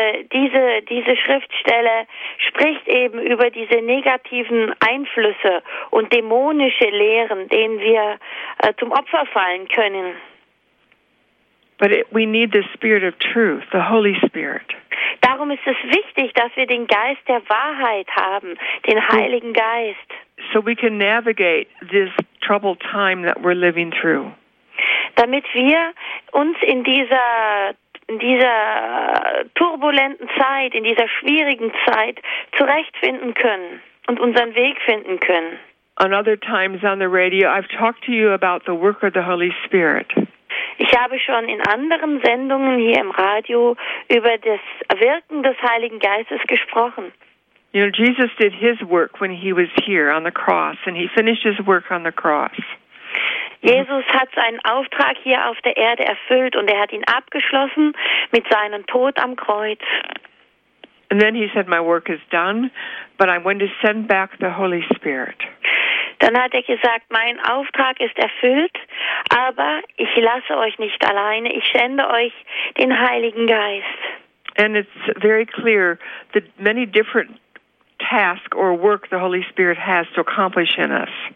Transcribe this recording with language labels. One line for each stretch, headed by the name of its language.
German: Diese Schriftstelle spricht eben über diese negativen Einflüsse und dämonische Lehren, denen wir zum Opfer fallen können.
English: But we need the Spirit of Truth, the Holy Spirit.
German: Darum ist es wichtig, dass wir den Geist der Wahrheit haben, den Heiligen Geist.
English: So we can navigate this troubled time that we're living through.
German: Damit wir uns in dieser in dieser turbulenten Zeit, in dieser schwierigen Zeit zurechtfinden können und unseren Weg finden können.
English: On other times on the radio, I've talked to you about the work of the Holy Spirit.
German: Ich habe schon in anderen Sendungen hier im Radio über das Wirken des Heiligen Geistes gesprochen.
English: You know, Jesus did his work when he was here on the cross, and he finished his work on the cross.
German: Jesus hat seinen Auftrag hier auf der Erde erfüllt, und hat ihn abgeschlossen mit seinem Tod am Kreuz.
English: And then he said, my work is done, but I'm going to send back the Holy Spirit.
German: Dann hat gesagt, mein Auftrag ist erfüllt, aber ich lasse euch nicht alleine, ich sende euch den Heiligen Geist.
English: And it's very clear that many different tasks or work the Holy Spirit has to accomplish in us.